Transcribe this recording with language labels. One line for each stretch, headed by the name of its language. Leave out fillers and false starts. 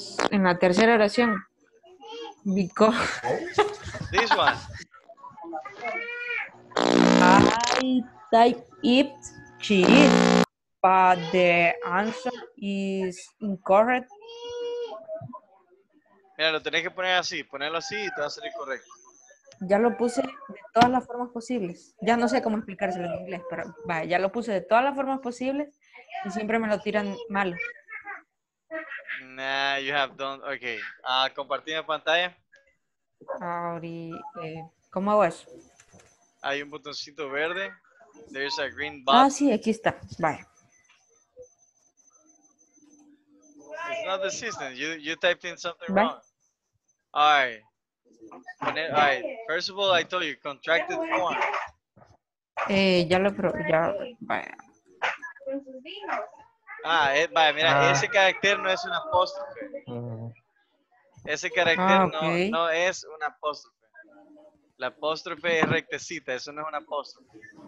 Spanish: En la tercera oración. Because
English: this one. I type it cheese, but the answer is incorrect.
Spanish: Mira, lo tenés que poner así, ponerlo así y te va a salir correcto. Ya lo puse de todas las formas posibles. Ya no sé cómo explicárselo en inglés, pero vaya, ya lo puse de todas las formas posibles y siempre me lo tiran mal.
English: Nah, you have done. Okay.
Spanish: Compartir en pantalla. Ahora, ¿cómo hago eso? Hay un botoncito verde.
English: There's a green button.
Spanish: Ah, sí, aquí está. Vaya.
English: It's not the system. You typed in something wrong. All right. First of all, I told you contracted form.
Spanish: Ya lo probé. Ya. Vaya. Ah, vaya, mira, ese carácter no es un apóstrofe. Ese carácter no es un apóstrofe. La apóstrofe es rectecita, eso no es un apóstrofe.